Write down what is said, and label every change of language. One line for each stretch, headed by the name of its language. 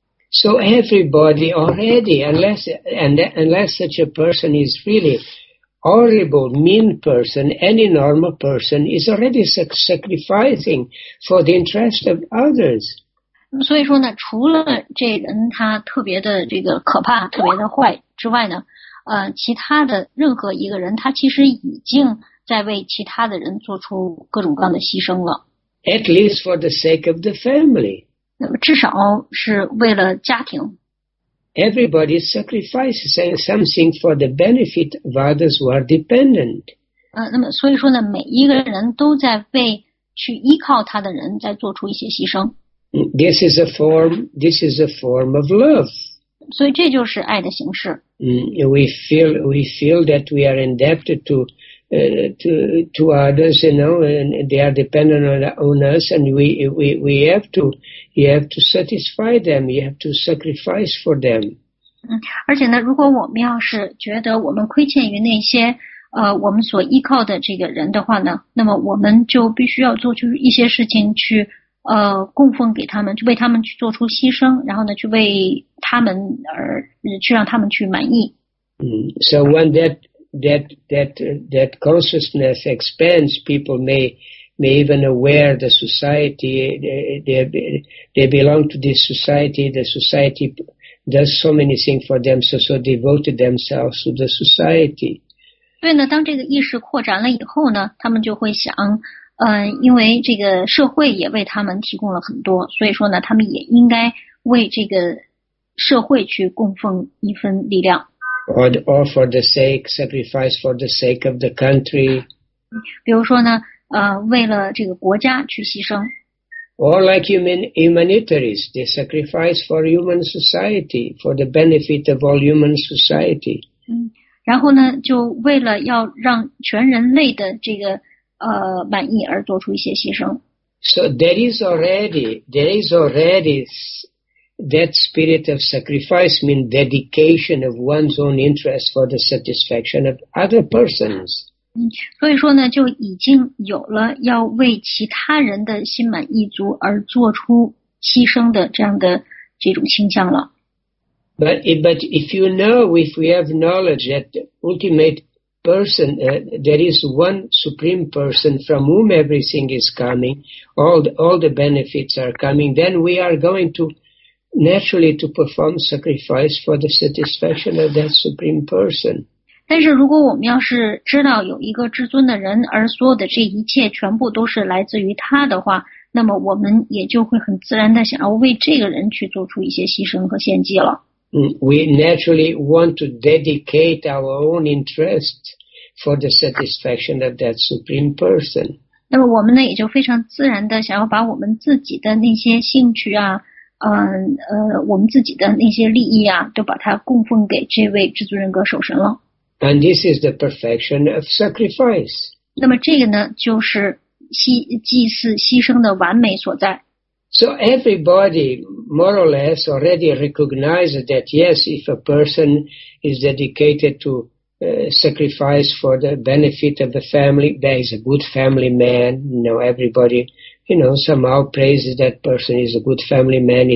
English: So everybody already, unless such a person is really horrible, mean person, any normal person is already sacrificing for the interest of others.
Chinese: 所以说呢，除了这人他特别的这个可怕、特别的坏之外呢，其他的任何一个人，他其实已经在为其他的人做出各种各样的牺牲了。
English: At least for the sake of the family.
Chinese: 那么至少是为了家庭。
English: Everybody sacrifices something for the benefit of others who are dependent.
Chinese: 那么所以说呢，每一个人都在为去依靠他的人在做出一些牺牲。
English: This is a form of love.
Chinese: 所以这就是爱的形式。
English: We feel that we are indebted to others, you know, and they are dependent on us, and we have to satisfy them, you have to sacrifice for them.
Chinese: 而且呢，如果我们要是觉得我们亏欠于那些我们所依靠的这个人的话呢，那么我们就必须要做出一些事情去供奉给他们，去为他们去做出牺牲，然后呢，去为他们而去让他们去满意。
English: So when that consciousness expands, people may even aware the society they belong to this society. The society does so many things for them, so devoted themselves to the society.
Chinese: 所以呢，当这个意识扩展了以后呢，他们就会想。因为这个社会也为他们提供了很多，所以说呢，他们也应该为这个社会去供奉一份力量。
English: Or for the sake, sacrifice for the sake of the country.
Chinese: 比如说呢，为了这个国家去牺牲。
English: Or like humanitarians, they sacrifice for human society, for the benefit of all human society.
Chinese: 然后呢，就为了要让全人类的这个满意而做出一些牺牲。
English: So there is already that spirit of sacrifice, mean dedication of one's own interest for the satisfaction of other persons.
Chinese: 所以说呢，就已经有了要为其他人的心满意足而做出牺牲的这样的这种倾向了。
English: But if you know, if we have knowledge that the ultimate person, there is one supreme person from whom everything is coming, all the benefits are coming, then we are going to naturally to perform sacrifice for the satisfaction of that supreme person.
Chinese: 但是如果我们要是知道有一个至尊的人，而所有的这一切全部都是来自于他的话，那么我们也就会很自然的想要为这个人去做出一些牺牲和献祭了。
English: We naturally want to dedicate our own interest for the satisfaction of that supreme person.
Chinese: 那么我们呢也就非常自然的想要把我们自己的那些兴趣啊，我们自己的那些利益啊，都把它供奉给这位至尊人格守神了。
English: And this is the perfection of sacrifice.
Chinese: 那么这个呢，就是祭祀牺牲的完美所在。
English: So everybody more or less already recognizes that yes, if a person is dedicated to sacrifice for the benefit of the family, that is a good family man. You know, everybody, you know, somehow praises that person is a good family man.